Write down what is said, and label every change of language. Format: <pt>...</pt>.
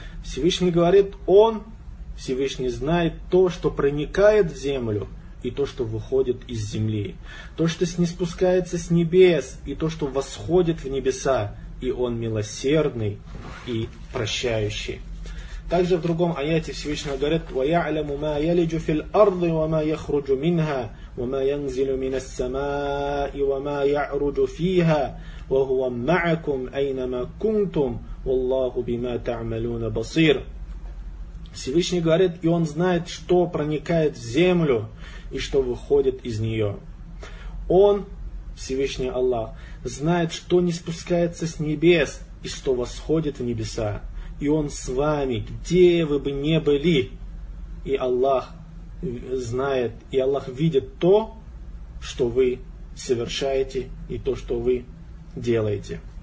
<ru>Всевышний говорит, Он, Всевышний, знает то, что проникает в землю, и то, что выходит из земли, то, что сниспускается с небес, и то, что восходит в небеса, и Он милосердный и прощающий. Также в другом аяте Всевышний говорит:</ru> <ar>وَيَعْلَمُ مَا يَلِجُ فِي الْأَرْضِ وَمَا يَخْرُجُ مِنْهَا وَمَا يَنْزِلُ مِنَ السَّمَاءِ وَمَا يَعْرُجُ فِيهَا وَهُوَ مَعَكُمْ أَيْنَمَا كُنْتُمْ وَاللَّهُ بِمَا تَعْمَلُونَ بَصِيرٌ.</ar> <ru>Всевышний говорит, и Он знает, что проникает в землю и что выходит из нее. Он, Всевышний Аллах, знает, что не спускается с небес и что восходит в небеса. И Он с вами, где вы бы ни были. И Аллах знает, и Аллах видит то, что вы совершаете, и то, что вы делаете.</ru>